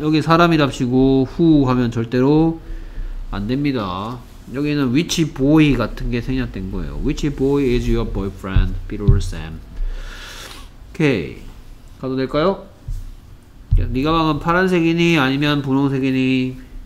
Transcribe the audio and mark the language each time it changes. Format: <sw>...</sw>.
<ko>여기 사람이답시고 who 하면 절대로 안 됩니다. 여기는 which boy 같은 게 생략된 거예요.</ko> <en>Which boy is your boyfriend, Peter or Sam?</en> <ko>오케이. 가도 될까요? 야, 네 가방은 파란색이니 아니면 분홍색이니?</ko>